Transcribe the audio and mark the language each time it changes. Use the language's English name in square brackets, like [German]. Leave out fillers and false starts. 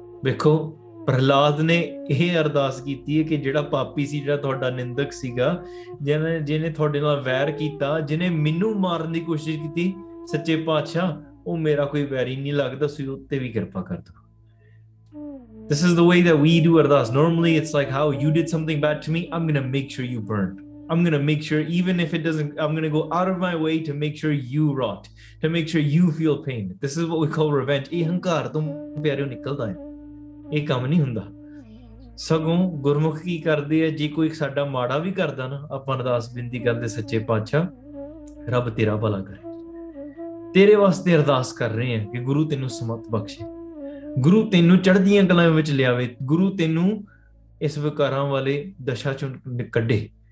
[Punjabi] ਵੇਖੋ ਪ੍ਰਹਲਾਦ ਨੇ ਇਹ ਅਰਦਾਸ ਕੀਤੀ ਹੈ ਕਿ ਜਿਹੜਾ ਪਾਪੀ ਸੀ, ਜਿਹੜਾ ਤੁਹਾਡਾ ਨਿੰਦਕ ਸੀਗਾ, ਜਿਹਨੇ ਤੁਹਾਡੇ ਨਾਲ ਵੈਰ ਕੀਤਾ, ਜਿਹਨੇ ਮੈਨੂੰ ਮਾਰਨ ਦੀ ਕੋਸ਼ਿਸ਼ ਕੀਤੀ, ਸੱਚੇ ਪਾਤਸ਼ਾਹ ਉਹ ਮੇਰਾ ਕੋਈ ਵੈਰੀ ਨਹੀਂ ਲੱਗਦਾ, ਤੁਸੀਂ ਉੱਤੇ ਵੀ ਕਿਰਪਾ ਕਰ ਦਿਓ. [English] This is the way that we do ardas. Normally it's like how you did something bad to me, I'm going to make sure you burn. I'm going to make sure, even if it doesn't, I'm going to go out of my way to make sure you rot, to make sure you feel pain. This is what we call revenge. [Punjabi] ਇਹ ਹੰਕਾਰ ਤੋਂ ਪਿਆਰਿਓ ਨਿਕਲਦਾ ਹੈ, ਇਹ ਕੰਮ ਨਹੀਂ ਹੁੰਦਾ. ਸਗੋਂ ਗੁਰਮੁਖ ਕੀ ਕਰਦੇ ਆ, ਜੇ ਕੋਈ ਸਾਡਾ ਮਾੜਾ ਵੀ ਕਰਦਾ ਨਾ, ਆਪਾਂ ਅਰਦਾਸ ਬੇਨਤੀ ਕਰਦੇ, ਸੱਚੇ ਪਾਤਸ਼ਾਹ ਰੱਬ ਤੇਰਾ ਭਲਾ ਕਰੇ, ਤੇਰੇ ਵਾਸਤੇ ਅਰਦਾਸ ਕਰ ਰਹੇ ਹਾਂ ਕਿ ਗੁਰੂ ਤੈਨੂੰ ਸਮਤ ਬਖਸ਼ੇ, ਗੁਰੂ ਤੈਨੂੰ ਚੜ੍ਹਦੀਆਂ ਕਲਾਵਾਂ ਵਿੱਚ ਲਿਆਵੇ, ਗੁਰੂ ਤੈਨੂੰ ਇਸ ਵਿਕਾਰਾਂ ਵਾਲੇ ਦਸ਼ਾ ਚੋਂ ਕੱਢੇ.